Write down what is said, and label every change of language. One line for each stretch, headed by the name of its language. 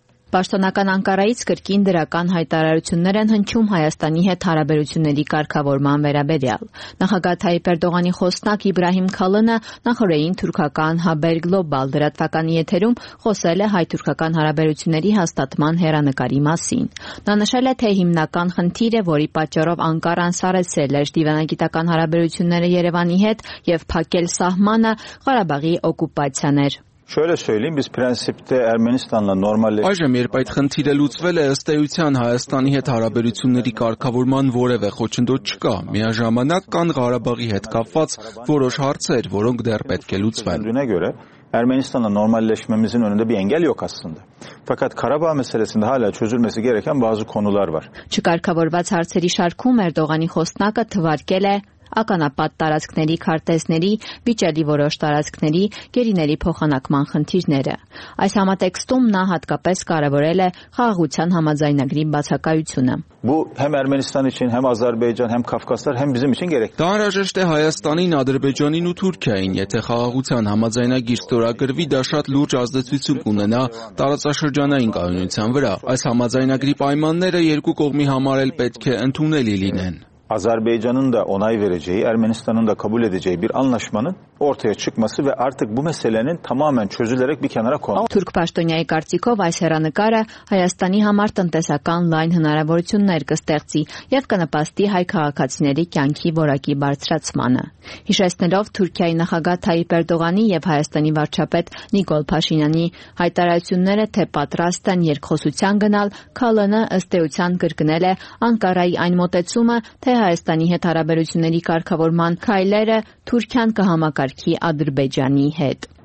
Armenian: Պաշտոնական Անկարայից կրկին դրական հայտարարություններ են հնչում Հայաստանի հետ հարաբերությունների կարգավորման վերաբերյալ։ Նախագահ Թայիպ Էրդողանի խոսնակ Իբրահիմ Քալընը նախորդին թուրքական Haber Global լրատվականի եթերում խոսել է հայ-թուրքական հարաբերությունների հաստատման հեռանկարի մասին։ Նա նշել է, թե հիմնական խնդիրը, որի պատճառով Անկարան սարեցել է դիվանագիտական հարաբերությունները Երևանի հետ եւ փակել սահմանը, Ղարաբաղի օկուպացիան էր։
Turkish: Şöyle söyleyeyim biz prensipte Ermenistan'la normalleşme.
Armenian: Այժմ երբ այդ խնդիրը լուծվել է, ըստ էության Հայաստանի հետ հարաբերությունների կարգավորման որևէ խոչընդոտ չկա։ Միաժամանակ կան Ղարաբաղի հետ կապված որոշ հարցեր, որոնք դեռ պետք է լուծվեն։ Դրանք գյուրը
Turkish: Ermenistan'la normalleşmemizin önünde bir engel yok aslında. Fakat Karabağ meselesinde hala çözülmesi gereken bazı konular var.
Armenian: Չկարգավորված հարցերի շարքում Էրդողանի խոսնակը թվարկել է ականապատ տարածքների քարտեզների, վիճելի որոշ տարածքների, գերիների փոխանակման խնդիրները։ Այս համատեքստում նա հատկապես կարևորել է խաղաղության համաձայնագրի բացակայությունը։
Turkish: Bu hem Ermenistan için hem Azerbaycan hem Kafkaslar hem bizim için gerekli.
Armenian: Դարաժեշտ է Հայաստանին, Ադրբեջանին ու Թուրքիային, եթե խաղաղության համաձայնագիր ստորագրվի, դա շատ լուրջ ազդեցություն կունենա տարածաշրջանային կայունության վրա։ Այս համաձայնագրի պայմանները երկու կողմի համար էլ պետք է ընդունելի լինեն։
Turkish: Azerbaycan'ın da onay vereceği, Ermenistan'ın da kabul edeceği bir anlaşmanın ortaya çıkması ve artık bu meselenin tamamen çözülerek bir kenara konması.
Armenian: Türk Paştonya'yı kartikov այս հեռանկարը Հայաստանի համար տնտեսական լայն հնարավորություններ կստեղծի եւ կնպաստի հայ քաղաքացիների կյանքի որակի բարձրացմանը։ Հիշեցնելով Թուրքիայի նախագահ Թայիպ Էրդողանի եւ Հայաստանի վարչապետ Նիկոլ Փաշինյանի հայտարարությունները, թե պատրաստ են երկխոսության գնալ, Քալընը ըստ էության կրկնել է Անկարայի այն մտածումը, թե Հայաստանի հետ հարաբերությունների կարգավորման քայլերը Թուրքիան կհամակարգի Ադրբեջանի հետ։